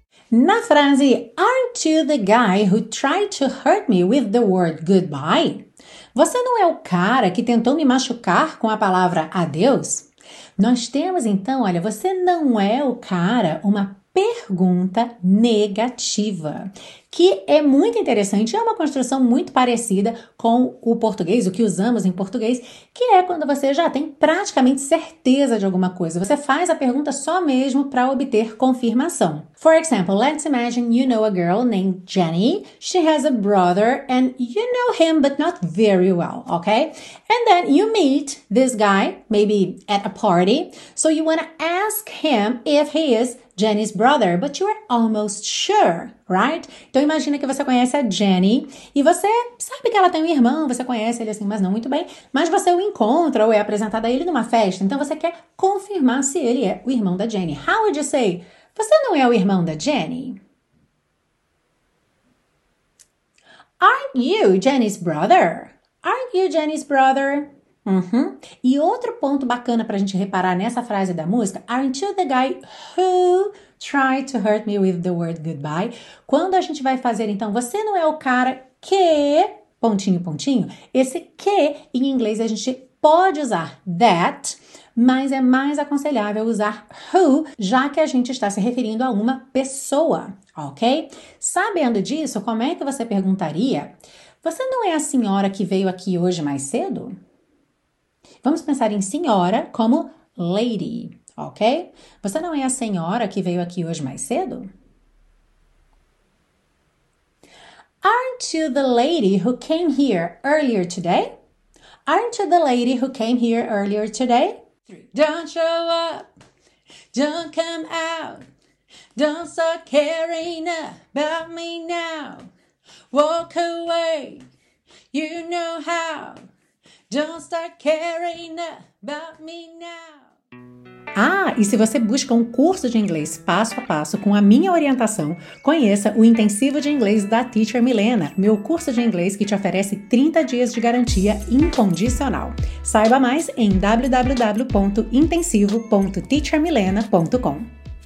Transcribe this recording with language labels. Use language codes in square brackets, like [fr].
[pt] Na frase, [en] aren't you the guy who tried to hurt me with the word goodbye? [pt] Você não é o cara que tentou me machucar com a palavra adeus? Nós temos então, olha, você não é o cara, uma pergunta negativa, que é muito interessante, é uma construção muito parecida com o português, o que usamos em português, que é quando você já tem praticamente certeza de alguma coisa. Você faz a pergunta só mesmo para obter confirmação. [en] For example, let's imagine you know a girl named Jenny. She has a brother and you know him, but not very well, okay? And then you meet this guy, maybe at a party. So you want to ask him if he is Jenny's brother, but you are almost sure, right? [pt] Então imagina que você conhece a Jenny e você sabe que ela tem um irmão, você conhece ele assim, mas não muito bem, mas você o encontra ou é apresentado a ele numa festa, então você quer confirmar se ele é o irmão da Jenny. [en] How would you say, [pt] você não é o irmão da Jenny? [en] Aren't you Jenny's brother? Aren't you Jenny's brother? [pt] Uhum. E outro ponto bacana pra gente reparar nessa frase da música, [en] aren't you the guy who tried to hurt me with the word goodbye? [pt] Quando a gente vai fazer, então, você não é o cara que, pontinho, pontinho, esse que em inglês a gente pode usar that, mas é mais aconselhável usar who, já que a gente está se referindo a uma pessoa, ok? Sabendo disso, como é que você perguntaria, você não é a senhora que veio aqui hoje mais cedo? Vamos pensar em senhora como lady, ok? Você não é a senhora que veio aqui hoje mais cedo? [en] Aren't you the lady who came here earlier today? Aren't you the lady who came here earlier today? Don't show up, don't come out, don't start caring about me now. Walk away, you know how. Don't start caring about me now. [pt] Ah, e se você busca um curso de inglês passo a passo com a minha orientação, conheça o Intensivo de Inglês da Teacher Milena, meu curso de inglês que te oferece 30 dias de garantia incondicional. Saiba mais em www.intensivo.teachermilena.com.